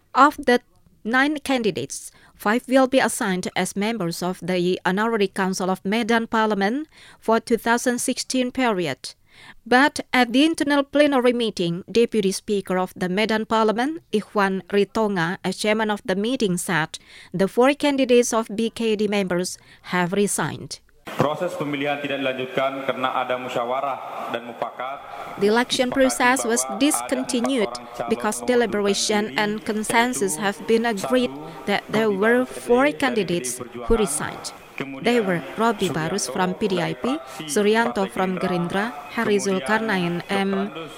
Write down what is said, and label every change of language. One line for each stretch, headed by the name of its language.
English: Of the 9 candidates, 5 will be assigned as members of the Honorary Council of Medan Parliament for 2016 period. But at the internal plenary meeting, Deputy Speaker of the Medan Parliament, Ikhwan Ritonga, as chairman of the meeting, said the 4 candidates of BKD members have resigned.
Indonesian: Proses pemilihan tidak dilanjutkan karena ada musyawarah dan mufakat.
English: The election process was discontinued because deliberation and consensus have been agreed that there were 4 candidates who resigned. They were Robby Barus from PDIP, Suryanto from Gerindra, Hari Zulkarnain M.